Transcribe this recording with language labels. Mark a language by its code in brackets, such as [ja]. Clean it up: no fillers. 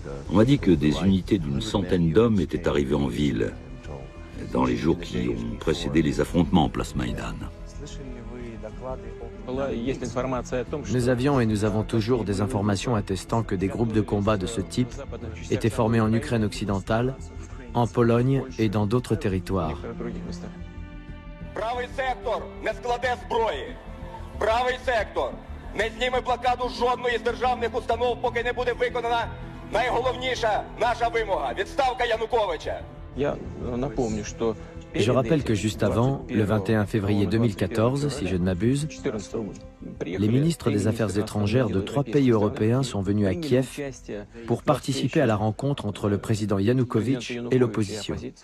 [fr] On m'a dit que des unités d'une centaine d'hommes étaient arrivées en ville dans les jours qui ont précédé les affrontements en place Maïdan. Nous avions et nous avons toujours des informations attestant que des groupes de combat de ce type étaient formés en Ukraine occidentale, en Pologne et dans d'autres territoires. [uk] Правий сектор не складе зброї. Правий сектор не зніме блокаду жодної з державних установ, поки не буде виконана найголовніша наша вимога – відставка Януковича. Я напомню, що... [fr] Je rappelle que juste avant, le 21 février 2014, si je ne m'abuse, les ministres des Affaires étrangères de trois pays européens sont venus à Kiev pour participer à la rencontre entre le président Yanukovych et l'opposition.